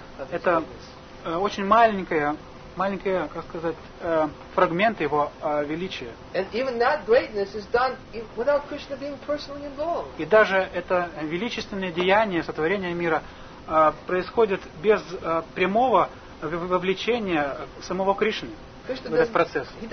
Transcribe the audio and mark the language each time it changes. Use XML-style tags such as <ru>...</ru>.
<ru>Это очень маленькая, как сказать, фрагмент его величия.</ru> <en>And even that greatness is done without Krishna being personally involved.</en> <ru>И даже это величественное деяние сотворения мира происходит без прямого вовлечения самого Кришны. В этот процесс.</ru>